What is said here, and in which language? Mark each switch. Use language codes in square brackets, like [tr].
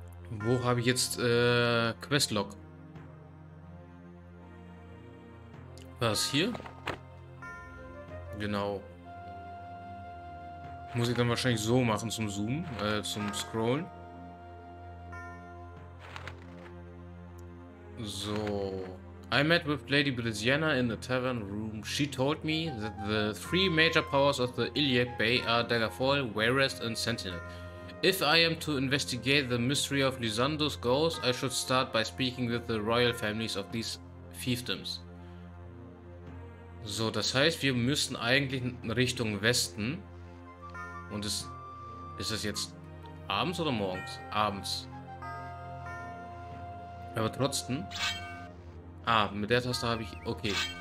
[de] Wo habe ich jetzt Questlog? Was hier? Genau. Muss ich dann wahrscheinlich so machen zum Zoomen, zum Scrollen. So. [en] I met with Lady Brisiana in the tavern room. She told me that the three major powers of the Iliac Bay are Daggerfall, Wayrest and Sentinel. If I am to investigate the mystery of Lysandos' ghost, I should start by speaking with the royal families of these fiefdoms. [de] So, das heißt, wir müssen eigentlich in Richtung Westen. Und ist das jetzt abends oder morgens? Abends. Aber trotzdem. Ah, mit der Taste habe ich. Okay.